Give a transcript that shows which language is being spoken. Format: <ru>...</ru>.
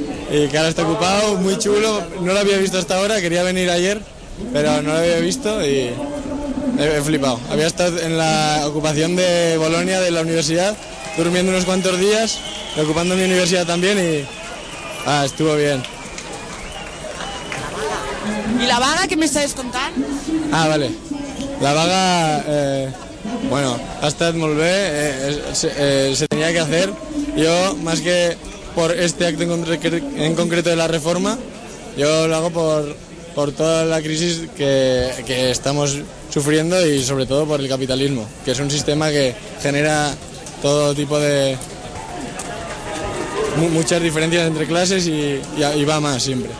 <es>Y que ahora está ocupado, muy chulo, no lo había visto hasta ahora, quería venir ayer, pero no lo había visto y he flipado. Había estado en la ocupación de Bolonia, de la universidad, durmiendo unos cuantos días, ocupando mi universidad también y estuvo bien. ¿Y la vaga que me estáis contando? Ah, vale.</es> <ca>La vaga, bueno, ha estat molt bé, se tenia que hacer.</ca> <es>Yo, más que por este acto en concreto de la reforma, yo lo hago por toda la crisis que estamos sufriendo y sobre todo por el capitalismo, que es un sistema que genera todo tipo de muchas diferencias entre clases y va más siempre.</es>